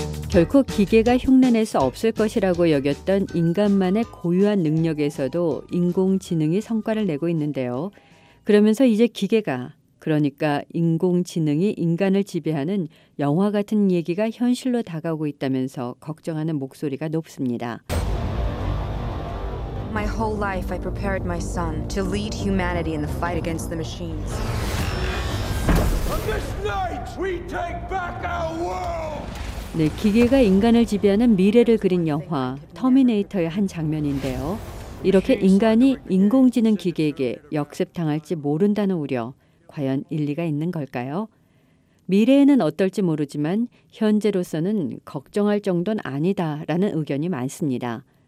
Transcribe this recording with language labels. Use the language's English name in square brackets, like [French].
[Korean] 결코 기계가 흉내낼 수 없을 것이라고 여겼던 인간만의 고유한 능력에서도 인공지능이 성과를 내고 있는데요. 그러면서 이제 기계가, 그러니까 인공지능이 인간을 지배하는 영화 같은 얘기가 현실로 다가오고 있다면서 걱정하는 목소리가 높습니다. [English] My whole life I prepared my son to lead humanity in the fight against the machines. This night we take back our world. [Korean] 네, 기계가 인간을 지배하는 미래를 그린 영화 터미네이터의 한 장면인데요. 이렇게 인간이 인공지능 기계에게 역습당할지 모른다는 우려, 과연 일리가 있는 걸까요? 미래에는 어떨지 모르지만 현재로서는 걱정할 정도는 아니다라는 의견이 많습니다.